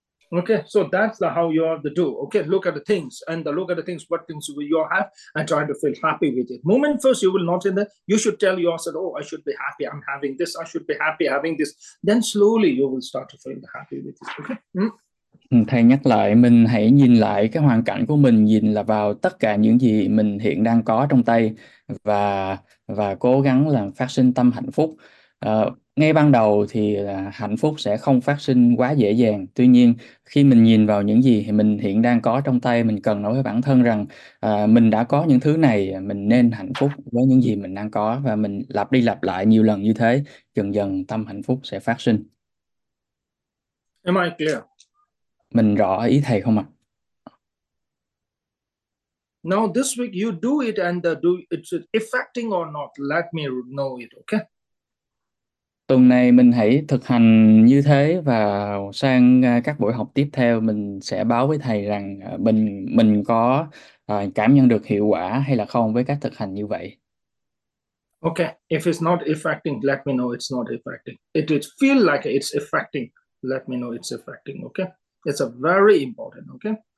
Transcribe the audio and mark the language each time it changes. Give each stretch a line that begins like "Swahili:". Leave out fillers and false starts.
English: Okay, so that's the how you have to do. Okay, look at the things and the look at the things, what things you have and try to feel happy with it. Moment first, you will not in that. You should tell yourself, oh, I should be happy. I'm having this. I should be happy having this. Then slowly you will start to feel happy with it. Okay.
Vietnamese: Thầy nhắc lại, mình hãy nhìn lại cái hoàn cảnh của mình, nhìn là vào tất cả những gì mình hiện đang có trong tay và cố gắng làm phát sinh tâm hạnh phúc. Ngay ban đầu thì hạnh phúc sẽ không phát sinh quá dễ dàng. Tuy nhiên, khi mình nhìn vào những gì mình hiện đang có trong tay, mình cần nói với bản thân rằng mình đã có những thứ này, mình nên hạnh phúc với những gì mình đang có. Và mình lặp đi lặp lại nhiều lần như thế, dần dần tâm hạnh phúc sẽ phát sinh.
English: Am I clear?
Vietnamese: Mình rõ ý thầy không ạ?
English: Now this week you do it and do it affecting or not, let me know it, okay?
Vietnamese: Tuần này mình hãy thực hành như thế và sang các buổi học tiếp theo mình sẽ báo với thầy rằng mình có cảm nhận được hiệu quả hay là không với các thực hành như vậy.
English: Okay, if it's not affecting, let me know it's not affecting. It is feel like it's affecting, let me know it's affecting, okay? It's a very important, okay?